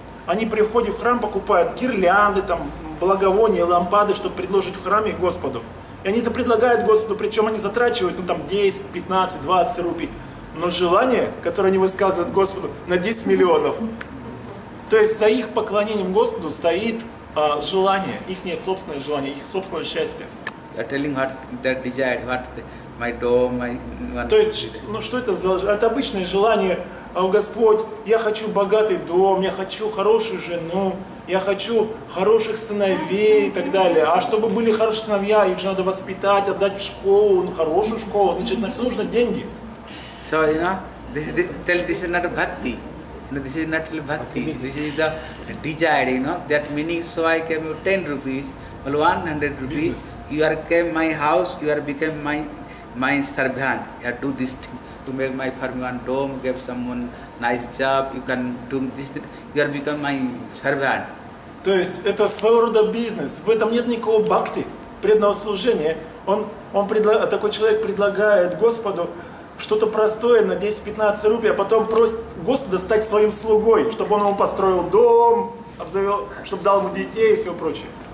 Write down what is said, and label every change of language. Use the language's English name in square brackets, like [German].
[Russian] они при входе в храм покупают гирлянды, там, благовония, лампады, чтобы предложить в храме Господу. И они это предлагают Господу, причем они затрачивают, ну, там, 10, 15, 20 рупий. Но желание, которое они высказывают Господу, на 10 миллионов. То есть за их поклонением Господу стоит желание, их собственное желание, их собственное счастье. [English] You're telling what that desire, what the, my dome, my... [Russian] То есть, ну что это за... Это обычное желание. О, Господь, я хочу богатый дом, я хочу хорошую жену, я хочу хороших сыновей и так далее. А чтобы были хорошие сыновья, их же надо воспитать, отдать в школу, ну, хорошую школу, значит, на все нужно деньги. [English] So, you know, this is not a bhakti. No, this is not a bhakti. This is the desire, you know, that meaning, so I came with 10 rupees, well, 100 rupees. Business. You are came my house, you are became my servant. You do this thing. To make my permanent dome, give someone nice job, you can do this, you are become my servant. [Russian] То есть это своего рода бизнес. В этом нет никакого бхакти, преданного служения. Такой человек предлагает Господу что-то простое на 10-15 рупий, а потом просит Господа стать своим слугой, чтобы он ему построил дом, обзавел, чтобы дал ему детей и все прочее.